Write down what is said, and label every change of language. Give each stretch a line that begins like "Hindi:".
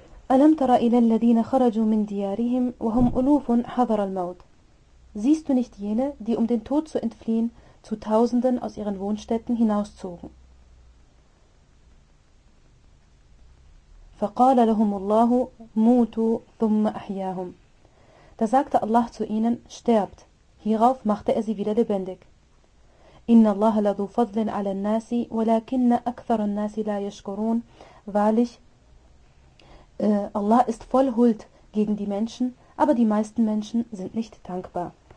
Arabic: ألم تر إلى الذين خرجوا من ديارهم وهم ألوف حذر الموت.
German: Siehst du nicht jene, die um den Tod zu entfliehen, zu Tausenden aus ihren Wohnstätten hinauszogen?
Arabic: فقال لهم الله موتوا ثم أحياهم.
German: Da sagte Allah zu ihnen, sterbt. Hierauf machte er sie wieder lebendig.
Arabic: إِنَّ اللَّهَ لَذُو فَضْلٍ عَلَى النَّاسِ وَلَكِنَّ أَكْثَرَ النَّاسِ لَا يَشْكُرُونَ.
German: Wahrlich, Allah ist voll Huld gegen die Menschen, aber die meisten Menschen sind nicht dankbar.